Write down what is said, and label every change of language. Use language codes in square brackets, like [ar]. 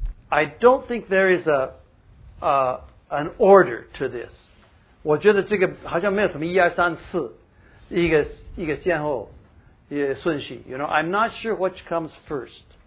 [en] I don't think there is an order to this. [zh] 我觉得这个好像没有什么一二三四，一个先后，一个顺序。 [en] You know, I'm not sure which comes first.